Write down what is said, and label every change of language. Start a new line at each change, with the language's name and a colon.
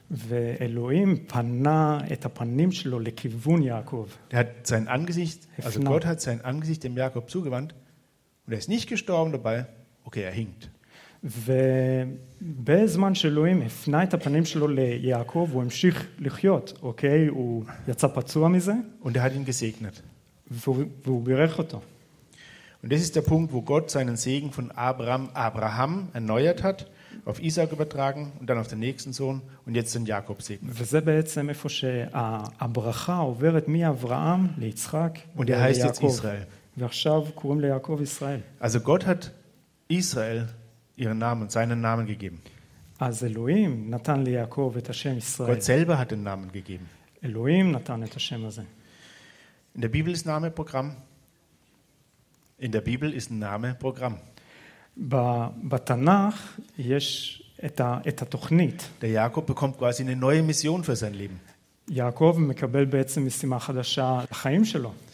Hebrew: ואלוהים פנה את הפנים שלו לכיוון יעקב.
German: Gott hat sein Angesicht dem Jakob zugewandt und er ist nicht gestorben dabei. Okay, er hinkt.
Hebrew: ובזמן שאלוהים הפנה את הפנים שלו ליעקב, הוא המשיך לחיות, אוקיי? הוא יצא פצוע מזה.
German: Und er hat ihn gesegnet.
Hebrew: והוא בירך אותו.
German: Und das ist der Punkt, wo Gott seinen Segen von Abraham erneuert hat, auf Isaac übertragen und dann auf den nächsten Sohn und jetzt den Jakob segnet. Und er heißt jetzt Israel. Also Gott hat Israel ihren Namen und seinen Namen gegeben. Gott selber hat den Namen gegeben. In der Bibel ist Name Programm. In der Bibel ist ein Name Programm.
Hebrew: בתנך יש את התוכנית.
German: Der Jakob bekommt quasi eine neue Mission für sein Leben.
Hebrew: יעקב מקבל בעצם משימה חדשה לחיים שלו.